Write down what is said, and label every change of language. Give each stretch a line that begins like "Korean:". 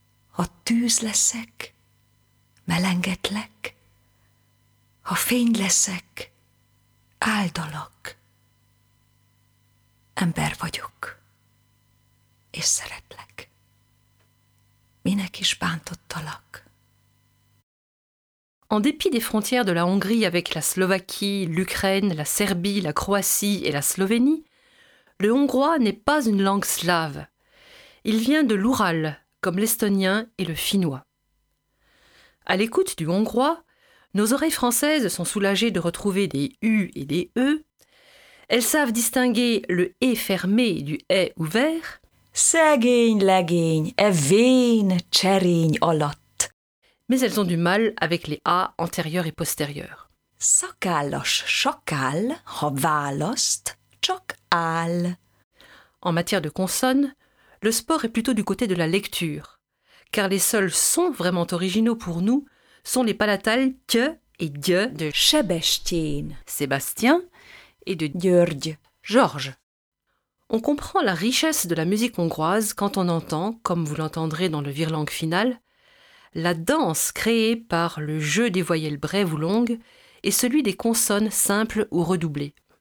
Hungarian: Ha tűz leszek, melengetlek. Ha fény leszek, áldalak. Ember vagyok, és szeretlek. Minek is bántottalak?
French: En dépit des frontières de la Hongrie avec la Slovaquie, l'Ukraine, la Serbie, la Croatie et la Slovénie, le hongrois n'est pas une langue slave. Il vient de l'Oural, comme l'estonien et le finnois. À l'écoute du hongrois, nos oreilles françaises sont soulagées de retrouver des U et des E. Elles savent distinguer le E fermé du E ouvert.
Hungarian: Szegény, legény, evén, cserény alatt.
French: Mais elles ont du mal avec les A antérieurs et postérieurs.
Hungarian: Szakállas, sakál, ha választ, csak áll.
French: En matière de consonnes, le sport est plutôt du côté de la lecture, car les seuls sons vraiment originaux pour nous sont les palatales « que » et « dje » de
Hungarian: « Sebastien »
French: Sébastien et de
Hungarian: « György »
French: Georges. On comprend la richesse de la musique hongroise quand on entend, comme vous l'entendrez dans le virlang final, la danse créée par le jeu des voyelles brèves ou longues et celui des consonnes simples ou redoublées.